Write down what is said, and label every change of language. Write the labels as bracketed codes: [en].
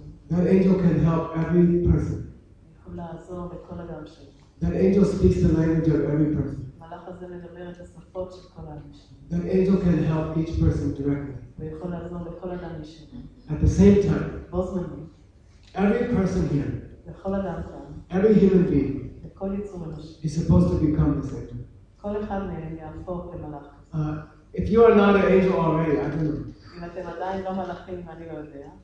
[en] That angel can help every person. [he] לעזור בכל אדם שלי. [en] That angel speaks the language of every person. [he] מלאך הזה מדבר את השפות של כל האנשים. [en] That angel can help each person directly. [he] ויכול לעזור לכל אדם אישית. [en] At the same time, [he] בו זמנית, [en] every person here, [he] לכל אדם כאן, [en] every human being, [he] לכל יצור אנושי, [en] is supposed to become this angel. [he] כל אחד מהם יהפוך למלאך. [en] If you are not an angel already, I don't know. [he] אם אתם עדיין לא מלאכים, אני לא יודע.